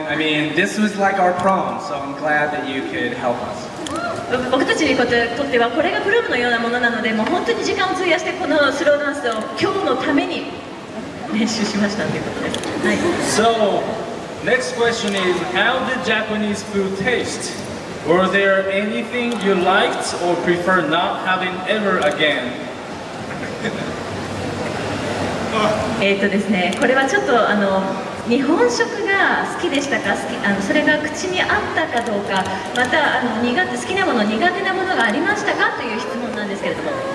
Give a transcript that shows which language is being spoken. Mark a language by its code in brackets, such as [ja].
[en] I mean, this was like our prom, so I'm glad that you could help us. [ja] 僕たちにとってはこれがプロムのようなものなので、もう本当に時間を費やしてこのスローダンスを今日のために練習しましたということです。はい。 [en] So, next question is, how did Japanese food taste? Were there anything you liked or prefer not having ever again? [ja] ですね、これはちょっとあの日本食が好きでしたか、あのそれが口に合ったかどうか、またあの苦手、好きなもの、苦手なものがありましたかという質問なんですけれども。